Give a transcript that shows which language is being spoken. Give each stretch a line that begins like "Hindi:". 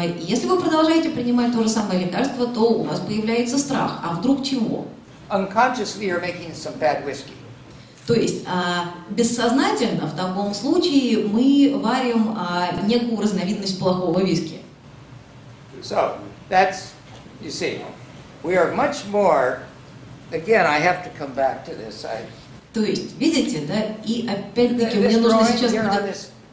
Russian: Если вы продолжаете принимать то же самое лекарство, то у вас появляется страх. А вдруг чего?
English: Unconsciously you're making some bad whiskey.
Russian: То есть бессознательно в таком случае мы варим некую разновидность плохого виски.
English: So, that's, you see, we are much more, again, I have to come back to this.
Russian: То есть, видите, да, и опять-таки мне нужно сейчас...